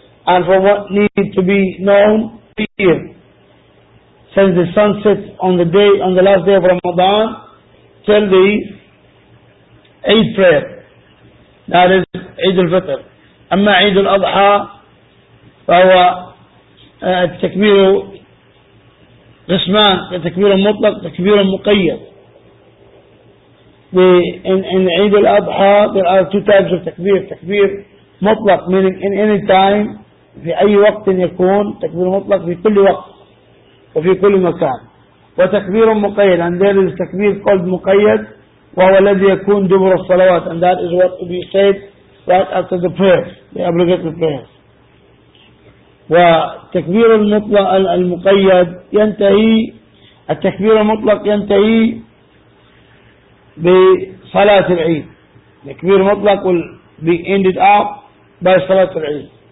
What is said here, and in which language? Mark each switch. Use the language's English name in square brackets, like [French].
[English] And for what need to be known here, since the sunset on the last day of Ramadan till the Eid prayer, that is Eid al-Fitr. [Arabic] أما عيد الأضحى فهو التكبير قسمان: تكبير مطلق، تكبير مقيد. [English] In [Arabic] عيد الأضحى [English] there are two types of [Arabic] تكبير: تكبير مطلق [English] meaning in any time، [Arabic] في أي وقت يكون تكبير مطلق في كل وقت وفي كل مكان، وتكبير مقيد. [English] And there is تكبير called مقيد، [Arabic] وهو الذي يكون دبر الصلوات، [English] and that is what we said right after the prayers, the obligatory prayers. [Arabic] وتكبير المطلق المقيد ينتهي، التكبير المطلق ينتهي بصلاة العيد. [English] التكبير المطلق will be ended up by صلاة العيد.